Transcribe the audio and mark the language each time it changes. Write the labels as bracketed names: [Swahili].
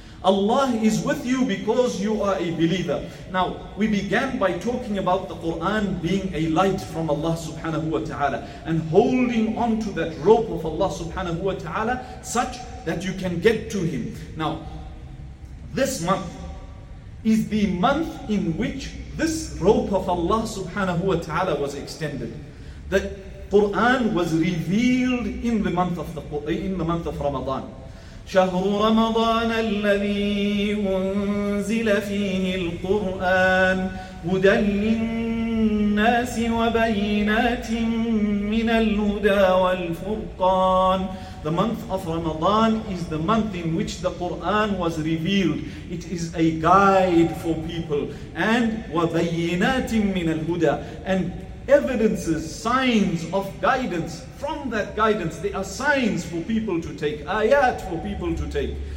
[English] Allah is with you because you are a believer. Now, we began by talking about the Quran being a light from Allah subhanahu wa ta'ala and holding on to that rope of Allah subhanahu wa ta'ala such that you can get to Him. Now, this month is the month in which this rope of Allah subhanahu wa ta'ala was extended. The Quran was revealed in the month of Ramadan. [Arabic] شهر رمضان الذي أنزل فيه القرآن هدى للناس وبينات من الهدى والفرقان. [English] The month of Ramadan is the month in which the Quran was revealed. It is a guide for people, and [Arabic] وبينات من الهدى, [English] and evidences, signs of guidance. From that guidance, there are signs for people to take, ayat for people to take.